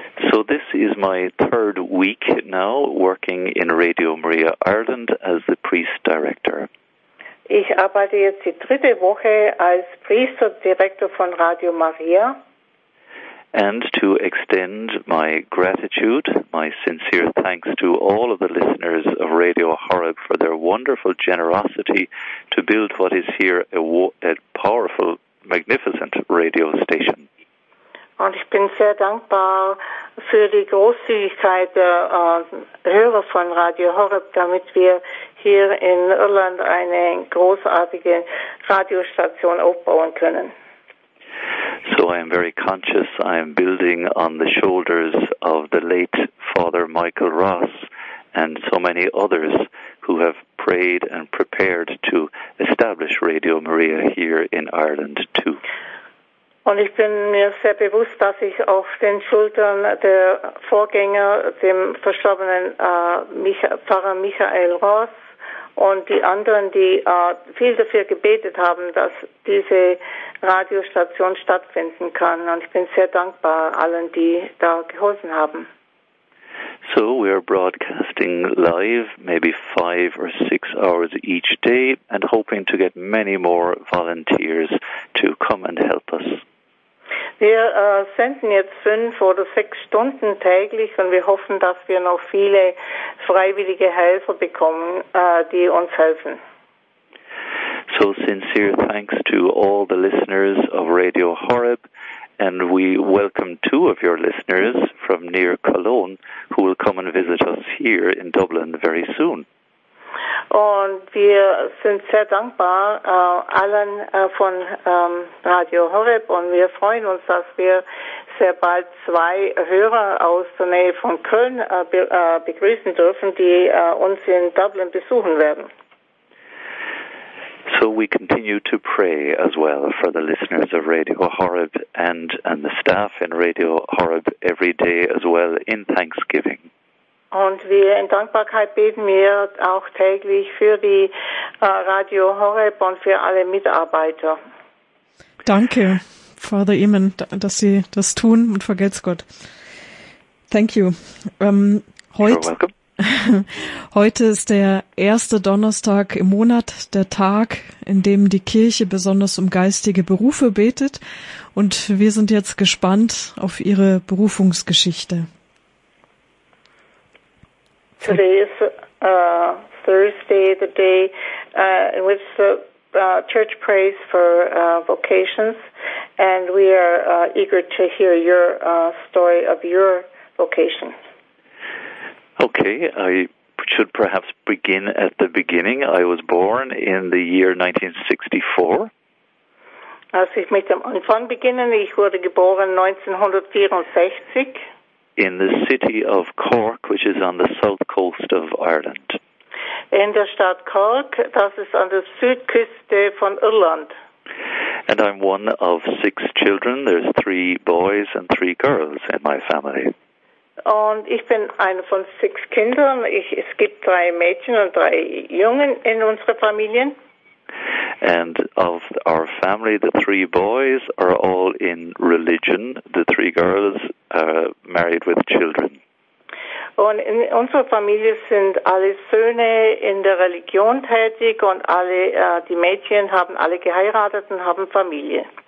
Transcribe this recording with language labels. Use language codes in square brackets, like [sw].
[en] So this is my third week now working in Radio Maria Ireland as the priest director. [de] Ich arbeite jetzt die dritte Woche als Priesterdirektor von Radio Maria. [en] And to extend my gratitude, my sincere thanks to all of the listeners of Radio Horeb for their wonderful generosity to build what is here a powerful, magnificent radio station. [de] Und ich bin sehr dankbar für die Großzügigkeit der Hörer von Radio Horeb, damit wir hier in Irland eine großartige Radiostation aufbauen können. [en] So I am very conscious, I am building on the shoulders of the late Father Michael Ross and so many others who have prayed and prepared to establish Radio Maria here in Ireland too. [de] Und ich bin mir sehr bewusst, dass ich auf den Schultern der Vorgänger, dem verstorbenen Pfarrer Michael Ross und die anderen, die viel dafür gebetet haben, dass diese Radiostation stattfinden kann. Und ich bin sehr dankbar allen, die da geholfen haben. [en] So we are broadcasting live, maybe 5 or 6 hours each day and hoping to get many more volunteers to come and help us. [de] Wir senden jetzt 5 oder 6 Stunden täglich und wir hoffen, dass wir noch viele freiwillige Helfer bekommen, die uns helfen. [en] So sincere thanks to all the listeners of Radio Horeb and we welcome 2 of your listeners from near Cologne who will come and visit us here in Dublin very soon. [de] Und wir sind sehr dankbar allen von Radio Horeb und wir freuen uns, dass wir sehr bald 2 Hörer aus der Nähe von Köln begrüßen dürfen, die uns in Dublin besuchen werden. [en] So we continue to pray as well for the listeners of Radio Horeb and the staff in Radio Horeb every day as well in Thanksgiving. [de] Und wir in Dankbarkeit beten wir auch täglich für die Radio Horeb und für alle Mitarbeiter. Danke, Father Eamon, dass Sie das tun und vergelt's Gott. [en] Thank you. You're welcome. [de] Heute ist der erste Donnerstag im Monat, der Tag, in dem die Kirche besonders um geistige Berufe betet. Und wir sind jetzt gespannt auf Ihre Berufungsgeschichte. [en] Today is Thursday, the day in which the church prays for vocations. And we are eager to hear your story of your vocation. Okay, I should perhaps begin at the beginning. I was born in the year 1964. [de] Also ich möchte am Anfang beginnen. Ich wurde geboren 1964. [en] In the city of Cork, which is on the south coast of Ireland. [de] In der Stadt Cork, das ist an der Südküste von Irland. [en] And I'm one of six children. There's three boys and three girls in my family. [de] Und ich bin eine von sechs Kindern. Es gibt drei Mädchen und drei Jungen in unserer Familie. [en] And of our family, the three boys are all in religion. The three girls are married with children. [de] Und in unserer Familie sind alle Söhne in der Religion tätig und alle die Mädchen haben alle geheiratet und haben Familie.